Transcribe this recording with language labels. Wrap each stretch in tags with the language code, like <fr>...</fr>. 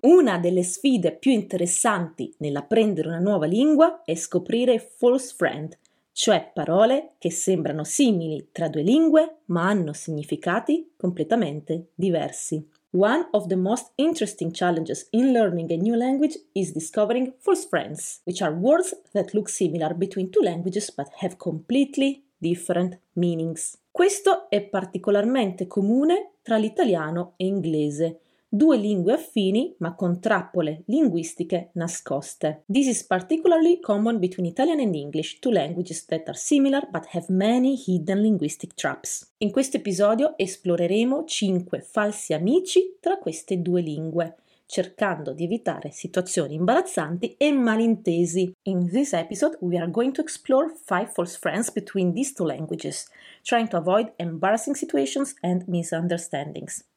<it>Una delle sfide più interessanti nell'apprendere una nuova lingua è scoprire false friend, cioè parole che sembrano simili tra due lingue ma hanno significati completamente diversi.</it> <en>One of the most interesting challenges in learning a new language is discovering false friends, which are words that look similar between two languages but have completely different meanings.</en> <it>Questo è particolarmente comune tra l'italiano e l'inglese. Due lingue affini, ma con trappole linguistiche nascoste.</it> <en>This is particularly common between Italian and English, two languages that are similar but have many hidden linguistic traps.</en> <it>In questo episodio esploreremo 5 falsi amici tra queste due lingue, cercando di evitare situazioni imbarazzanti e malintesi.</it> <en>In this episode, we are going to explore 5 false friends between these two languages, trying to avoid embarrassing situations and misunderstandings.</en>